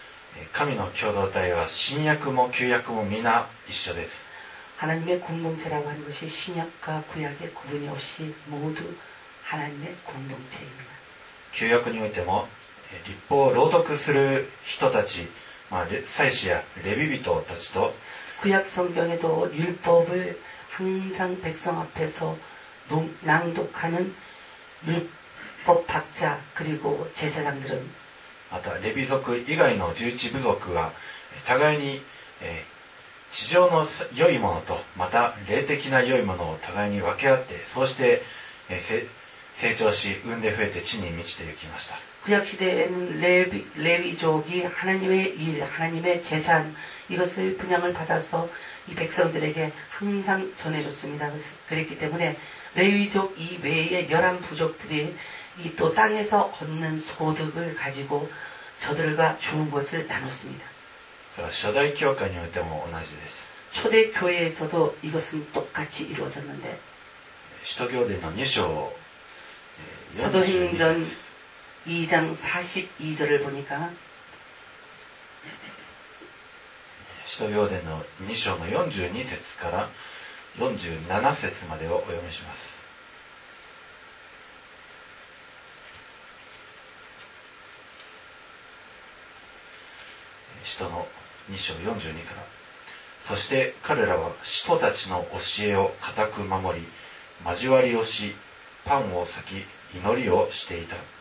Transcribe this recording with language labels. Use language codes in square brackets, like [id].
[ja] 神の共同体は新約も旧約も皆一緒です。 [ko] 하나님의공동체라고하는것이신약과구약의구분이없이모두하나님의공동체입니다 [ja] 旧約においても律法を朗読する人たち、まあ、祭司やレビ人たちと [ko] 구약성경에도율법을항상백성앞에서 낭독하는율법학자그리고제사장들은 [ja] また、レビ族以外の十一部族は、互いに、地上の良いものと、また、霊的な良いものを互いに分け合って、そうして、成長し、産んで増えて地に満ちて行きました。旧約時代 [ko] 에는레위족이하나님의일하나님의재산이것을분양을받아서이백성들에게항상전해줬습니다그랬기때문에레위족이외의열한부족들이이또땅에서얻는소득을가지고저들과좋은것을나눴습니다 초대교회 [ja] においても同じです [ko] 초대교회에서도이것은똑같이이루어졌는데 [ja] 使徒行伝の2章 [ko] 사도행전2장42절을보니까 [ja] 使徒行伝の2章の42節から47節までをお読みします。使徒の2章42から。そして彼らは使徒たちの教えを固く守り、交わりをし、パンを裂き、祈りをしていた。